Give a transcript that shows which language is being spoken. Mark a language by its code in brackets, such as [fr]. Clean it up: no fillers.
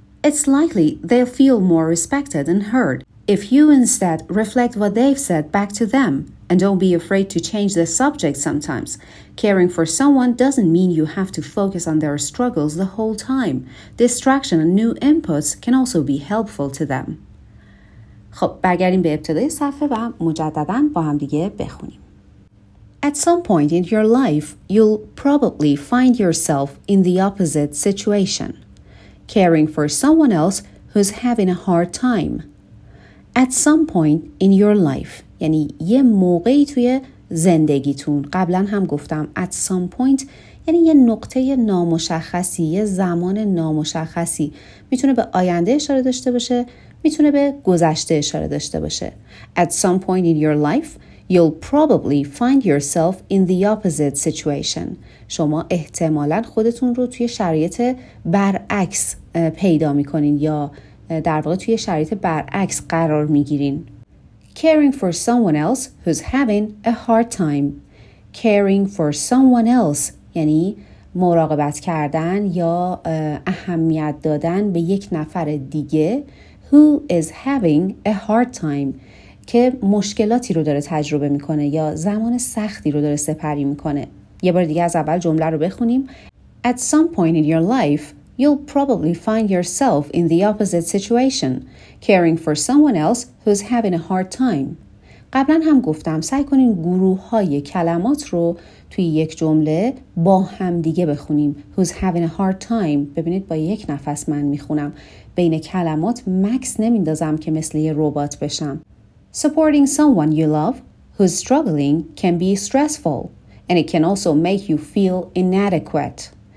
[en] It's likely they'll feel more respected and heard if you instead reflect what they've said back to them, and don't be afraid to change the subject sometimes. Caring for someone doesn't mean you have to focus on their struggles the whole time. Distraction and new inputs can also be helpful to them. [fa] خب برگردیم به ابتدای صفحه و مجدداً با هم دیگه بخونیم. [en] At some point in your life, you'll probably find yourself in the opposite situation. Caring for someone else who's having a hard time. At some point in your life, [fa] یعنی یه موقعی توی زندگیتون، قبلا هم گفتم [en] at some point [fa] یعنی یه نقطه نامشخصی، یه زمان نامشخصی، میتونه به آینده اشاره داشته باشه، میتونه به گذشته اشاره داشته باشه. [en] At some point in your life, you'll probably find yourself in the opposite situation. [fa] شما احتمالا خودتون رو توی شرایط برعکس پیدا میکنین یا در واقع توی شرایط برعکس قرار میگیرین. [en] Caring for someone else who's having a hard time. Caring for someone else [fa] یعنی مراقبت کردن یا اهمیت دادن به یک نفر دیگه [en] who is having a hard time [fa] که مشکلاتی رو داره تجربه میکنه یا زمان سختی رو داره سپری میکنه. یه بار دیگه از اول جمله رو بخونیم. [en] At some point in your life, you'll probably find yourself in the opposite situation, caring for someone else who's having a hard time. [fa] قبلا هم گفتم سعی کنین گروه های کلمات رو توی یک جمله با هم دیگه بخونیم. [en] Who's having a hard time. [fa] ببینید با یک نفس من میخونم. بین کلمات مکس نمیندازم که مثل یه ربات بشم. [en] Supporting someone you love who's struggling can be stressful and it can also make you feel inadequate.